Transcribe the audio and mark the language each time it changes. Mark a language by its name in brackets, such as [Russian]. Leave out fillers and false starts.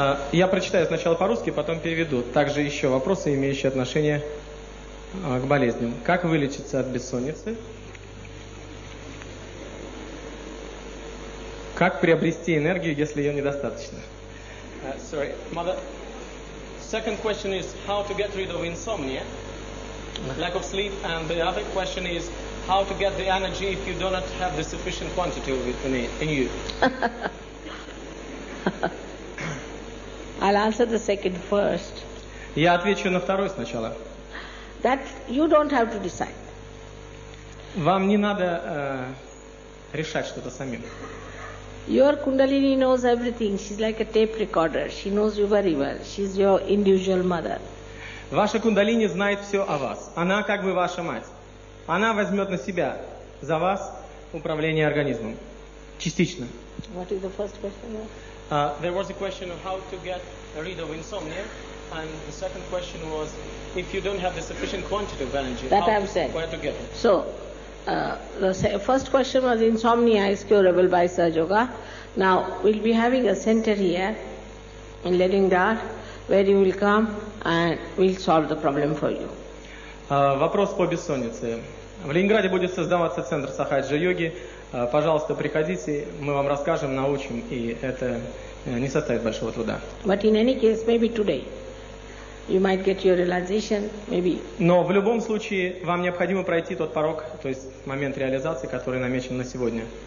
[Russian] Я прочитаю сначала по-русски, потом переведу. Также еще вопросы, имеющие отношение к болезням. Как вылечиться от бессонницы? Как приобрести энергию, если ее недостаточно? [English] Sorry, mother. Second question is how to get rid of insomnia, lack of sleep, and the other question is how to get the energy if you do not have the sufficient quantity of it in you. I'll answer the second first. [Russian] Я отвечу на второй сначала. [English] That you don't have to decide. [Russian] Вам не надо решать что-то самим. [English] Your Kundalini knows everything. She's like a tape recorder. She knows you very well. She's your individual mother. [Russian] Ваша Кундалини знает все о вас. Она как бы ваша мать. Она возьмет на себя за вас управление организмом. Частично. [English] What is the first question? There was a question of how to get rid of insomnia. And the second question was, if you don't have the sufficient quantity of energy, that how I've said. Where to get it? So, the first question was insomnia is curable by Sahaja Yoga. Now we'll be having a center here in Leningrad where you will come and we'll solve the problem for you. [Russian] Вопрос по бессоннице. В Ленинграде будет создаваться центр Сахаджа Йоги. Пожалуйста, приходите, мы вам расскажем, научим, и это не составит большого труда. [English] But in any case, maybe today. You might get your realization, maybe. [Russian] Но в любом случае вам необходимо пройти тот порог, то есть момент реализации, который намечен на сегодня.